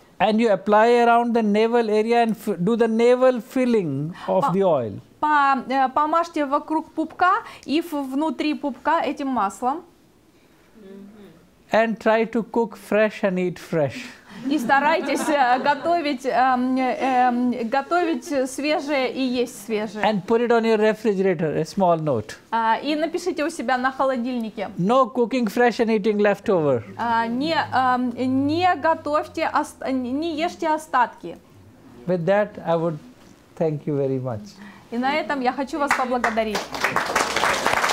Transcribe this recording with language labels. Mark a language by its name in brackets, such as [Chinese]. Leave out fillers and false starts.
[English] And you apply around the navel area and do the navel filling of the oil. [Russian] Помажьте вокруг пупка и внутри пупка этим маслом. [English] And try to cook fresh and eat fresh. [Russian] И старайтесь готовить свежее и есть свежее. [English] And put it on your refrigerator, a small note. [Russian] И напишите у себя на холодильнике. [English] No cooking fresh and eating leftover. [Russian] Не ешьте остатки. [English] With that, I would thank you very much. [Russian] И на этом я хочу вас поблагодарить.